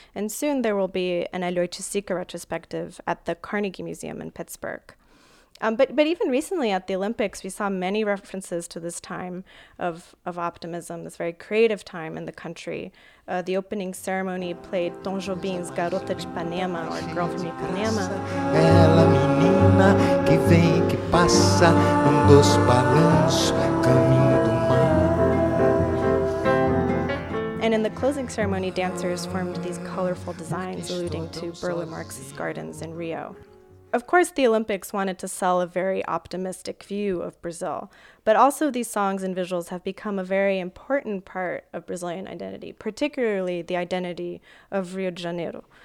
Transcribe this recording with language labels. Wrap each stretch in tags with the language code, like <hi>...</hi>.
<en>And soon there will be an Elio Chisica retrospective at the Carnegie Museum in Pittsburgh. But even recently at the Olympics, we saw many references to this time of optimism, this very creative time in the country. The opening ceremony played Tom Jobim's Garota de Ipanema, or Girl from Ipanema.</en> <pt>Ela menina que vem que passa num doce balanço, caminho.</pt> <en>And in the closing ceremony, dancers formed these colorful designs alluding to Berlin Marx's gardens in Rio. Of course, the Olympics wanted to sell a very optimistic view of Brazil, but also these songs and visuals have become a very important part of Brazilian identity, particularly the identity of Rio de Janeiro.</en>